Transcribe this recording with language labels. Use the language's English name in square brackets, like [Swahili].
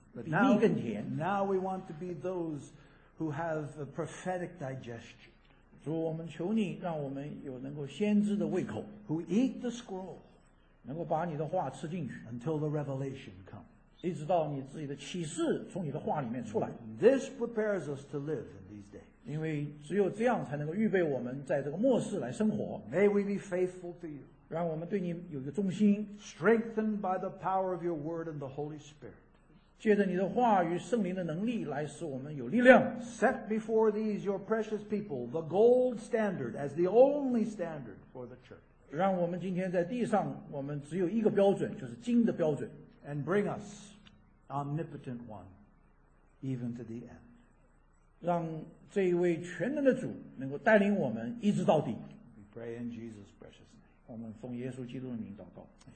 [English] But now we want to be those who have a prophetic digestion. [Chinese] 主，我们求你让我们有能够先知的胃口。 [English] Who eat the scroll. [Chinese] 能够把你的话吃进去。 [English] Until the revelation comes. [Chinese] 一直到你自己的启示从你的话里面出来。 [English] This prepares us to live in these days. [Chinese] 因为只有这样才能够预备我们在这个末世来生活。 [English] May we be faithful to you. [Chinese] 让我们对你有一个忠心。 [English] Strengthened by the power of your word and the Holy Spirit. [Chinese] 借着你的话与圣灵的能力来使我们有力量。 [English] Set before these your precious people the gold standard as the only standard for the church. [Chinese] 让我们今天在地上，我们只有一个标准，就是金的标准。 [English] And bring us, omnipotent one, even to the end. [Chinese] 让这一位全能的主能够带领我们一直到底。 [English] We pray in Jesus' precious name. [Chinese] 我们奉耶稣基督的名祷告。